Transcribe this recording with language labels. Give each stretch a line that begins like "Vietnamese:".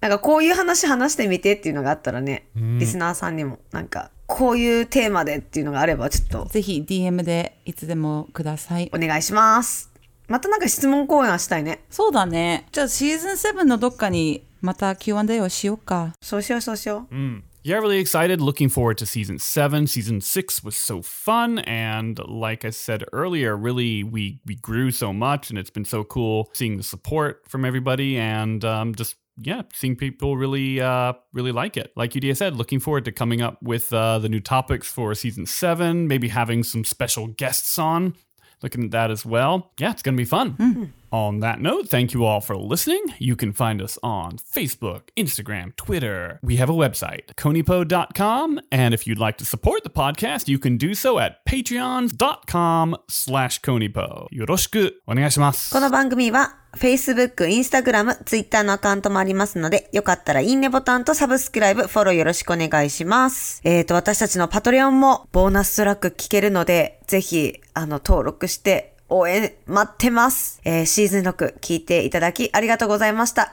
Japanese: なんかこういう話話してみてっていうのがあったらね、リスナーさんにもなんかこういうテーマでっていうのがあればちょっとぜひ DM でいつでもください。お願いします。またなんか質問講演したいね。そうだね。じゃあシーズン7のどっかにまた Q&A をしようか。そうしようそうしよう。
English: うん。Yeah, really excited. Looking forward to season 7. Season 6 was so fun. And like I said earlier, really, we grew so much. And it's been so cool seeing the support from everybody. And just, yeah, seeing people really, really like it. Like Yudia said, looking forward to coming up with the new topics for season 7. Maybe having some special guests on. Looking at that as well. Yeah, it's going to be fun. Mm-hmm. On that note, thank you all for listening. You can find us on Facebook, Instagram, Twitter. We have a website, konnichiwa.com. And if you'd like to support the podcast, you can do so at patreon.com/konnichiwa.
Japanese: よろしくお願いします。この番組は Facebook、Instagram、Twitter のアカウントもありますので、よかったらいいねボタンとサブスクライブ、フォローよろしくお願いします。私たちのパトレオンもボーナストラック聞けるので、ぜひ、登録して、応援待ってます、シーズン6聞いていただきありがとうございました。